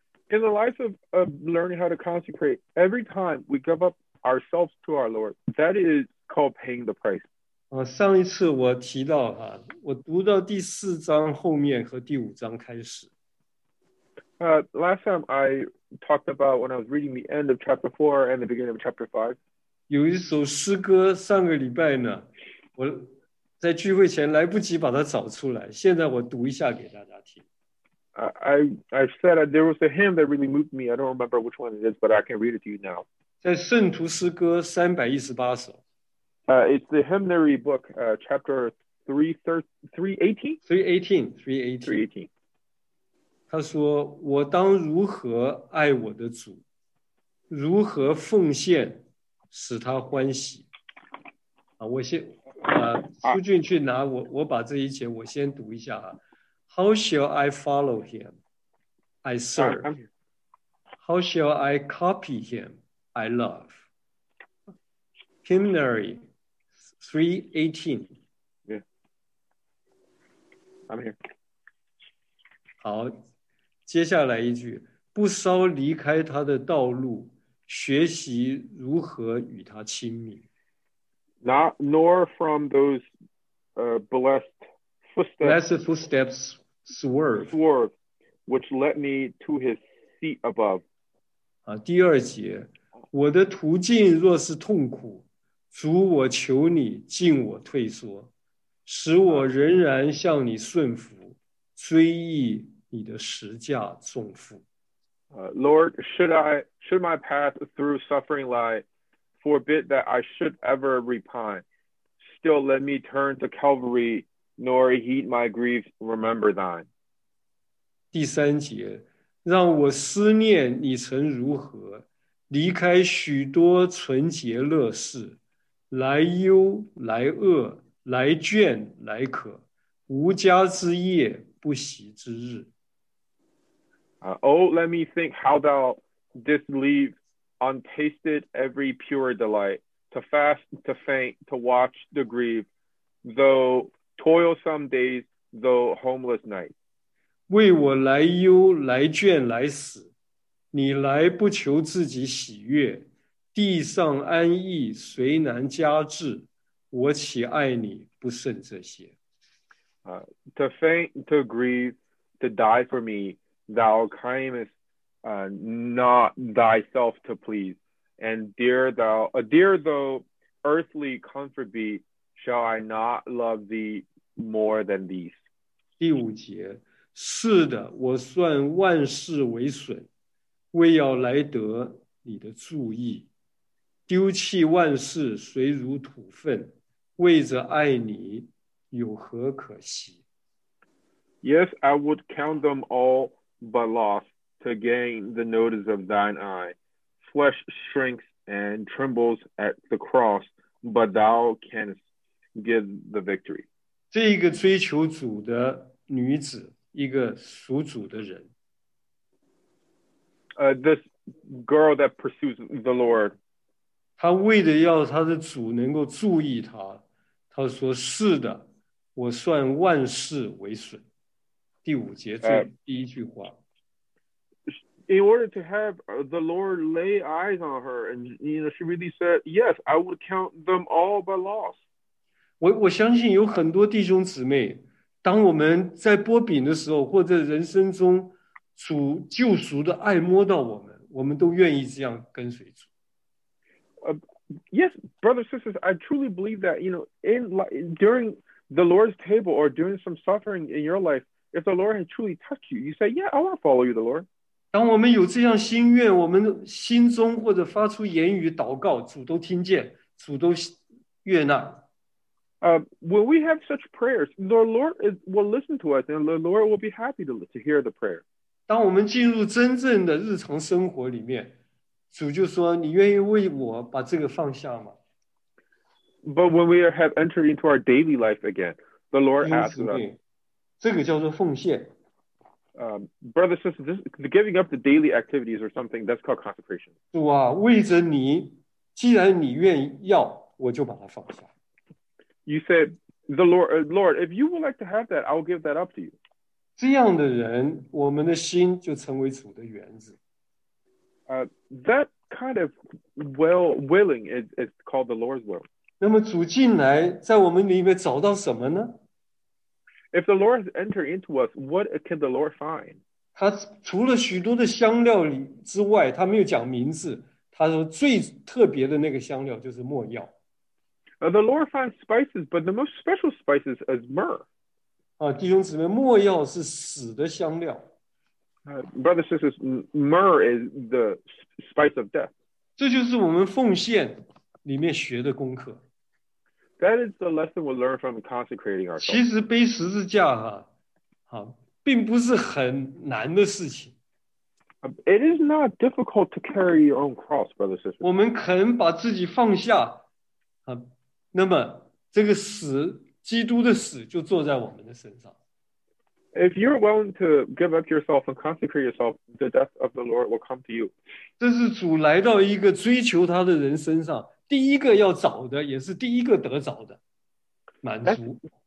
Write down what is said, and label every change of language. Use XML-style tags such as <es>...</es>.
<en>In the life of learning how to consecrate, every time we give up ourselves to our Lord, that is called paying the price.</en> <zh>上一次我提到哈，我读到第四章后面和第五章开始。</zh> <en>Last time I talked about when I was reading the end of chapter 4 and the beginning of chapter 5.</en> <zh>有一首诗歌，上个礼拜呢，我在聚会前来不及把它找出来，现在我读一下给大家听。</zh> <en>I said there was a hymn that really moved me. I don't remember which one it is, but I can read it to you now.</en> <zh>在圣徒诗歌318首。</zh> <en>It's the hymnary book, chapter 318.</en> <zh>他说：“我当如何爱我的主，如何奉献使他欢喜？” 我先。苏俊去拿我把这一节我先读一下啊。</zh> <en>How shall I follow him? I serve. How shall I copy him? I love. Hymnary 318. Yeah. I'm here.</en> <zh>好，接下来一句，不稍离开他的道路，学习如何与他亲密。</zh> <en>Not nor from those blessed footsteps. Blessed footsteps swerve, which led me to his seat above.</en> <zh>啊，第二节，我的途径若是痛苦，主我求你尽我退缩，使我仍然向你顺服，追忆你的十架重负。</zh> <en>Lord, should my path through suffering lie, forbid that I should ever repine. Still, let me turn to Calvary, nor heed my grief, remember thine.</en> <zh>第三节，让我思念你曾如何，离开许多纯洁乐事，来忧来恶，来倦来渴，无家之夜，不息之日。</zh> <en>Oh, let me think how thou didst leave untasted every pure delight, to fast, to faint, to watch the grieve, though toilsome days, though homeless night.</en> <zh>为我来忧来倦来死，你来不求自己喜悦，地上安逸谁难加至，我岂爱你不胜这些。</zh> <en>To faint, to grieve, to die for me,Thou claimest not thyself to please, and dear though earthly comfort be, shall I not love thee more than these?</en> <zh>第五节，是的，我算万事为损，为要来得你的注意，丢弃万事虽如土粪，为着爱你有何可惜？</zh> <en>Yes, I would count them all. But lost to gain the notice of thine eye, flesh shrinks and trembles at the cross, but thou canst give the victory.</en> <zh>这一个追求主的女子，一个属主的人。</zh> <en>This girl that pursues the Lord.</en> <zh>她为的要她的主能够注意她，她说：“是的，我算万事为损。” 第五节最第一句话。</zh> <en>In order to have the Lord lay eyes on her, and you know, she really said, "Yes, I would count them all but loss."</en> <zh>我相信有很多弟兄姊妹，当我们在剥饼的时候，或者人生中主救赎的爱摸到我们，我们都愿意这样跟随主。</zh> <en>Yes, brothers and sisters, I truly believe that you know, during the Lord's table or during some suffering in your life, if the Lord had truly touched you, you say, "Yeah, I want to follow you, the Lord."</en> <zh>当我们有这样心愿，我们心中或者发出言语祷告，主都听见，主都悦纳。</zh> <en>When we have such prayers, the Lord will listen to us, and the Lord will be happy to hear the prayer.</en> <zh>当我们进入真正的日常生活里面，主就说：“你愿意为我把这个放下吗？”</zh> <en>But when we have entered into our daily life again, the Lord asks us.</en> <zh>这个叫做奉献。</zh> <en>Brother, sister, the giving up the daily activities or something, that's called consecration.</en> <zh>主啊，为着你，既然你愿要，我就把它放下。</zh> <en>You said, the Lord, if you would like to have that, I'll give that up to you.</en> <zh>这样的人，我们的心就成为主的园子。</zh> <en>That kind of willing is called the Lord's will.</en> <zh>那么主进来，在我们里面找到什么呢？</zh> <en>If the Lord has entered into us, what can the Lord find?</en> <zh>他除了许多的香料之外，他没有讲名字。他说最特别的那个香料就是末药。</zh> <en>The Lord finds spices, but the most special spices is myrrh.</en> <zh>啊，弟兄姊妹，末药是死的香料。</zh> <en>Brothers and sisters, myrrh is the spice of death.</en> <zh>这就是我们奉献里面学的功课。</zh> <en>That is the lesson we learn from consecrating ourselves.</en> <zh>其实背十字架并不是很难的事情。</zh> <en>It is not difficult to carry your own cross, brother and sister.</en> <zh>我们肯把自己放下那么这个死，基督的死就坐在我们的身上。</zh> <en>If you're willing to give up yourself and consecrate yourself, the death of the Lord will come to you.</en> <zh>这是主来到一个追求他的人身上。第一个要找的，也是第一个得着的，满足。</zh>